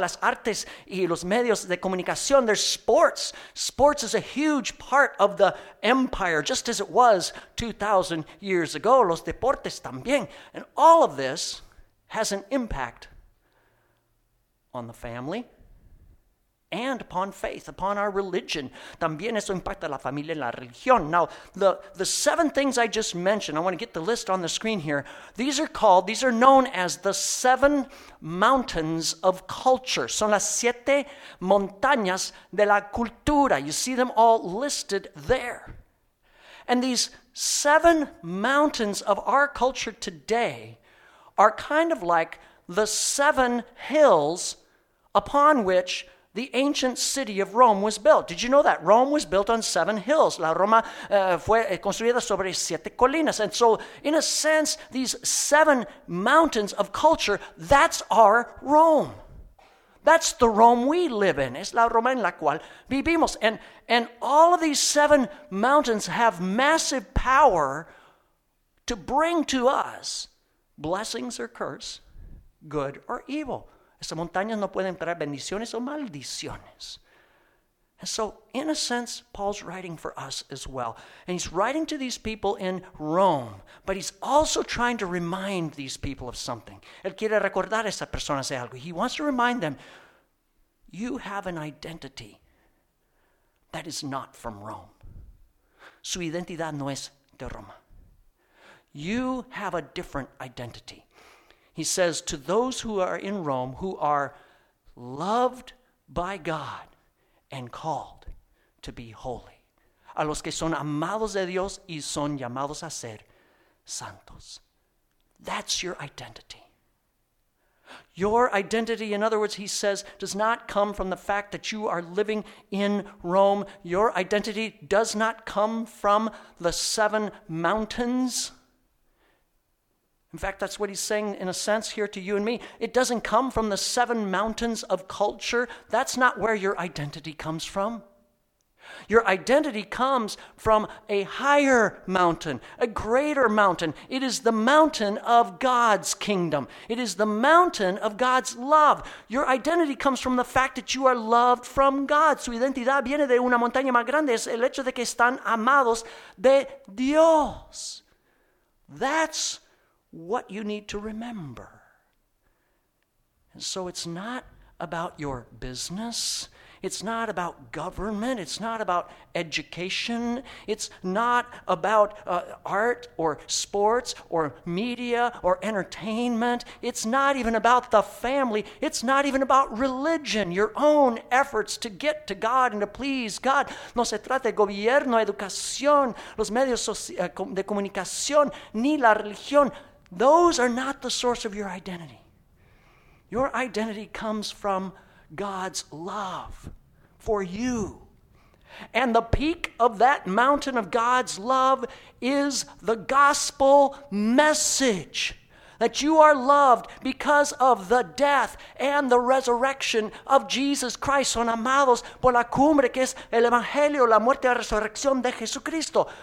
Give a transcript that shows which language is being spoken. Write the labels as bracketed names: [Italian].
[Spanish] Las artes y los medios de comunicación. [English] There's sports. Sports is a huge part of the empire, just as it was 2,000 years ago. [Spanish] Los deportes también. [English] And all of this has an impact on the family. And upon faith, upon our religion. [Spanish] También eso impacta la familia y la religión. [English] Now, the seven things I just mentioned, I want to get the list on the screen here. These are known as the seven mountains of culture. [Spanish] Son las siete montañas de la cultura. [English] You see them all listed there. And these seven mountains of our culture today are kind of like the seven hills upon which the ancient city of Rome was built. Did you know that? Rome was built on seven hills. [Spanish] La Roma fue construida sobre siete colinas. [English] And so, in a sense, these seven mountains of culture, that's our Rome. That's the Rome we live in. [Spanish] Es la Roma en la cual vivimos. [English] And all of these seven mountains have massive power to bring to us blessings or curse, good or evil. [Spanish] Esas montañas no pueden traer bendiciones o maldiciones. [English] And so, in a sense, Paul's writing for us as well. And he's writing to these people in Rome. But he's also trying to remind these people of something. [Spanish] Él quiere recordar a esas personas de algo. [English] He wants to remind them, you have an identity that is not from Rome. [Spanish] Su identidad no es de Roma. [English] You have a different identity. He says, to those who are in Rome, who are loved by God, and called to be holy. [Spanish] A los que son amados de Dios y son llamados a ser santos. [English] That's your identity. Your identity, in other words, he says, does not come from the fact that you are living in Rome. Your identity does not come from the seven mountains. In fact, that's what he's saying in a sense here to you and me. It doesn't come from the seven mountains of culture. That's not where your identity comes from. Your identity comes from a higher mountain, a greater mountain. It is the mountain of God's kingdom. It is the mountain of God's love. Your identity comes from the fact that you are loved from God. [Spanish] Su identidad viene de una montaña más grande. Es el hecho de que están amados de Dios. [English] That's what you need to remember. And so it's not about your business. It's not about government. It's not about education. It's not about art or sports or media or entertainment. It's not even about the family. It's not even about religion, your own efforts to get to God and to please God. [Spanish] No se trata de gobierno, educación, los medios de comunicación, ni la religión. [English] Those are not the source of your identity. Your identity comes from God's love for you. And the peak of that mountain of God's love is the gospel message that you are loved because of the death and the resurrection of Jesus Christ. [Spanish] Son amados por la cumbre que es el evangelio, la muerte y la resurrección de Jesucristo.